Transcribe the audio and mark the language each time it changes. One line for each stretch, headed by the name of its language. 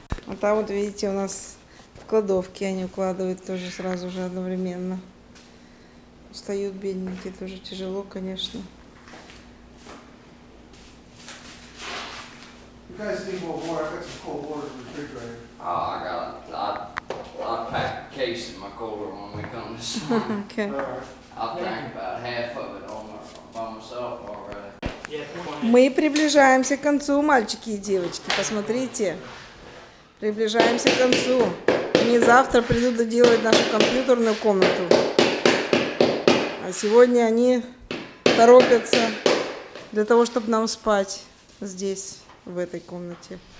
Russian: А там вот, видите, у нас в кладовке они укладывают тоже сразу же одновременно. Устают бедненькие, тоже тяжело, конечно.
English: You guys need more water, I got some cold water in the refrigerator. Oh, I'll pack a case in my cold room when we come this morning. Okay. I'll drink about half of it by myself already.
Russian: Мы приближаемся к концу, мальчики и девочки, посмотрите. Приближаемся к концу. Они завтра придут доделать нашу компьютерную комнату. А сегодня они торопятся для того, чтобы нам спать здесь, в этой комнате.